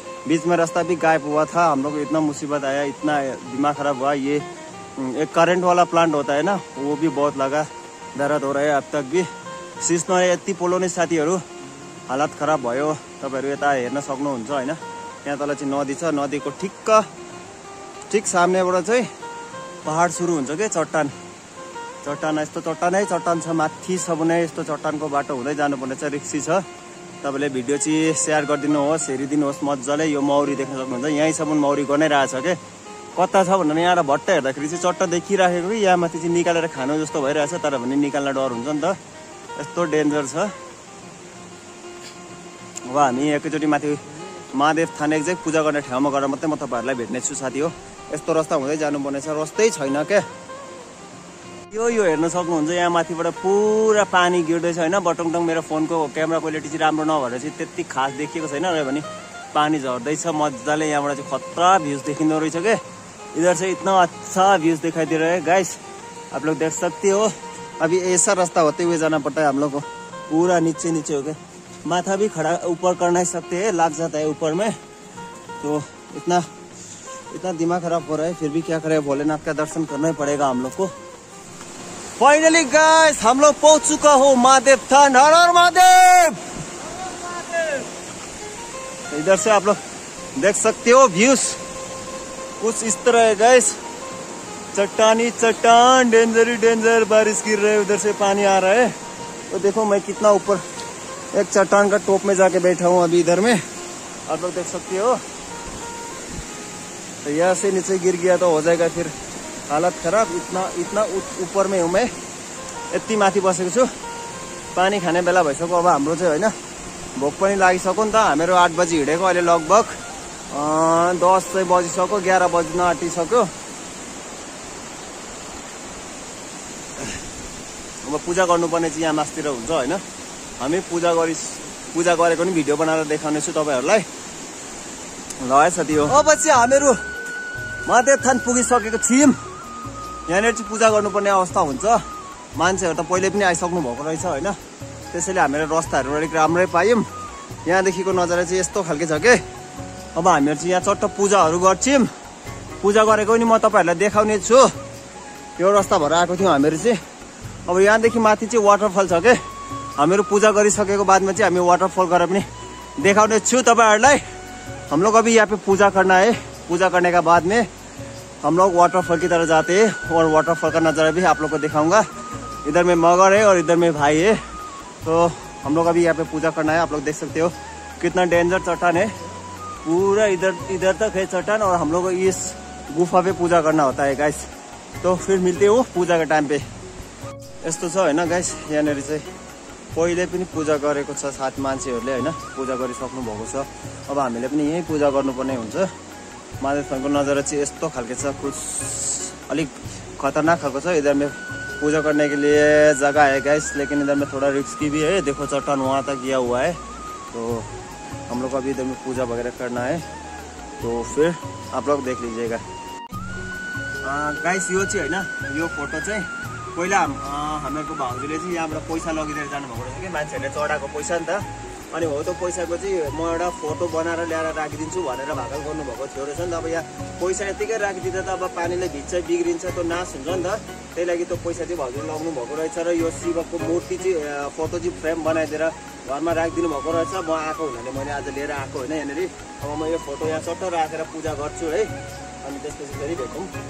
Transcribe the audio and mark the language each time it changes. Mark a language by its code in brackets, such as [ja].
[hi] बीच में रास्ता भी गायब हुआ था, हम लोग को इतना मुसीबत आया, इतना दिमाग खराब हुआ। ये एक करंट वाला प्लांट होता है ना, वो भी बहुत लगा, दर्द हो रहा है अब तक भी। [ne] सीस नए ये पोलो ने साथी, हालत खराब भो। तब ये हेन सकूँ है, यहाँ तल चाहिँ नदी छ, नदीको ठिक सामनेबाट चाहिँ पहाड सुरु हुन्छ क्या। चट्टान यस्तो चट्टानै चट्टान छ, माथिसम्म नै यस्तो चट्टानको बाटो हुँदै जानुपर्ने छ, रिक्सी छ। तपाईँले भिडियो चाहिँ सेयर गरिदिनुहोस्, हेरिदिनुहोस् मजाले। यो मौरी देख्न सक्नुहुन्छ, यहीँसम्म मौरी गनाइरहेछ क्या। कता छ भन्नु, यहाँबाट भट्ट हेर्दाखेरि चाहिँ चट्टा देखिरहेको कि, यहाँमाथि चाहिँ निकालेर खानु जस्तो भइरहेछ, तर भने निकाल्न डर हुन्छ नि त, यस्तो डेन्जर छ। अब हामी एकैचोटि माथि महादेव थान एक्जेक्ट पूजा गर्ने ठाउँमा गएर मात्रै म तपाईँहरूलाई भेट्ने छु साथी हो। यस्तो रस्ता हुँदै जानुपर्ने छ, रस्तै छैन क्या। यो हेर्न सक्नुहुन्छ, यहाँ माथिबाट पुरा पानी गिर्दैछ होइन, बटङटङ। मेरो फोनको क्यामेरा क्वालिटी चाहिँ राम्रो नभएर चाहिँ त्यति खास देखिएको छैन, र पनि पानी झर्दैछ मजाले। यहाँबाट चाहिँ खतरा भ्युज देखिँदो रहेछ के, इधर चाहिँ [hi] इतना अच्छा [ne] भ्युज देखाइदिएर है गाइस। [hi] आप लोग देख सकते हो, अभी ऐसा रास्ता होते हुए जाना पड़ता है हम लोग को, पूरा नीचे हो गया। माथा भी खड़ा ऊपर करना ही सकते है, लाग जाता है ऊपर में, तो इतना दिमाग खराब हो रहा है। फिर भी क्या करें, भोलेनाथ का दर्शन करना ही पड़ेगा हम लोग को। फाइनली गाइस, हम लोग पहुंच चुका हूँ महादेव थान। हर हर महादेव। इधर से आप लोग देख सकते हो व्यूज कुछ इस तरह है गाइस, चट्टानी चट्टान, डेंजर ही डेंजर। बारिश गिर रही है, उधर से पानी आ रहा है। तो देखो मैं कितना ऊपर एक चट्टान का टॉप में जाके बैठा हूँ अभी, इधर में आप लोग देख सकते हो। तो यहाँ से नीचे गिर गया तो हो जाएगा फिर हालत खराब, इतना ऊपर में हूँ मैं, [ne] यति माथि बसेको छु। पानी खाने बेला भइसक्यो, अब हाम्रो चाहिँ होइन भोक पनि लागिसक्यो नि त। हामीहरू 8 बजी हिँडेको, अहिले लगभग 10 बजिसक्यो, 11 बजी नआटिसक्यो। अब पूजा गर्नुपर्ने चाहिँ यहाँ मास्तिर हुन्छ होइन, हामी पूजा गरेको नि भिडियो बनाएर देखाउनेछु तपाईँहरूलाई। ल साथी हो, अब चाहिँ हामीहरू महादेव थान पुगिसकेको छौँ। यहाँनिर चाहिँ पूजा गर्नुपर्ने अवस्था हुन्छ, मान्छेहरू त पहिले पनि आइसक्नु भएको रहेछ होइन, त्यसैले हामीले रस्ताहरू अलिक राम्रै पायौँ। यहाँदेखिको नजारा चाहिँ यस्तो खालको छ के। अब हामीहरू चाहिँ यहाँ चट्ट पूजाहरू गर्छौँ, पूजा गरेको नि म तपाईँहरूलाई देखाउने छु। यो रस्ता भएर आएको थियौँ हामीहरू चाहिँ। अब यहाँदेखि माथि चाहिँ वाटरफल छ के, हामीहरू पूजा गरिसकेको बादमा चाहिँ हामी वाटरफल गरेर पनि देखाउने छु तपाईँहरूलाई। [hi] हाम लोग अभी यहाँ पे पूजा करना है, पूजा करने का बाद में हम लोग वाटरफल की तरह जाते हैं, और वाटरफल का नजारा भी आप लोग को दिखाऊंगा। इधर में मगर है और इधर में भाई है, तो हम लोग अभी यहाँ पे पूजा करना है। आप लोग देख सकते हो कितना डेंजर चट्टान है, पूरा इधर तक है चट्टान, और हम लोग इस गुफा पे पूजा करना होता है गाइस। तो फिर मिलते हो पूजा के टाइम पे। यो है गाइस, यहाँ से [ne] पहिले पनि पूजा गरेको छ सात मान्छेहरुले हैन पूजा गरिसक्नु भएको छ अब हामीले पनि यही पूजा गर्नुपर्ने हुन्छ महादेवको नजर चाहिँ यस्तो खालके छ कुछ अलिक खतरनाक खालको छ [hi] इधर में पूजा करने के लिए जगह है गाइस लेकिन इधर में थोड़ा रिस्क भी है देखो चट्टान वहाँ तक गया हुआ है तो हम लोग अभी इधर में पूजा वगैरह करना है तो फिर आप लोग देख लीजिएगा [ne] गाइस यो चाहिँ हैन यो फोटो चाहिँ पहिला हामी को भाउजू ने यहाँ पैसा लगे जानु भएको रहेछ कि मान्छेले चढाएको पैसा नि त अनि हो तो पैसा को म एउटा फोटो बनाएर ल्याएर राखिदिन्छु भनेर भाकल गर्नु भएको थियो रहेछ नि त अब यहाँ पैसा यतिकै राखिदिए त अब पानीले भिज्छ बिग्रिन्छ त नाश हुन्छ नि त त्यही लागि त्यो पैसा चाहिँ भाउजूले लग्नु भएको रहेछ र यो शिवको मूर्ति चाहिँ फोटो चाहिँ फ्रेम बनाइदिएर घरमा राखिदिनु भएको रहेछ म आएको हुनाले मैले आज लिएर आएको होइन यहाँनिर अब म यो फोटो यहाँ चट्टो राखेर पूजा गर्छु है अनि त्यसपछि फेरि भेटौँ